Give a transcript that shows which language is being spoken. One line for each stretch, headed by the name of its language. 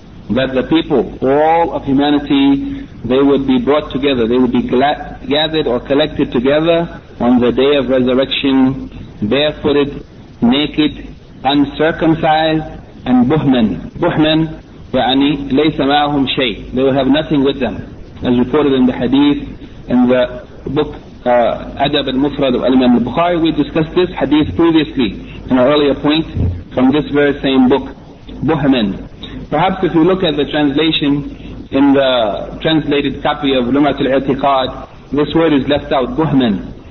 English: that the people, all of humanity, they would be brought together, they would be gathered or collected together on the day of resurrection, barefooted, naked, uncircumcised, and buhman.
Arabic: Buhman, يعني ليس معهم شيء.
English: They will have nothing with them. As reported in the hadith, in the book Adab al-Mufrad of Imam al-Bukhari, we discussed this hadith previously, in an earlier point, from this very same book, buhman. Perhaps if you look at the translation, in the translated copy of Lumat al-I'tiqad, this word is left out, buhman.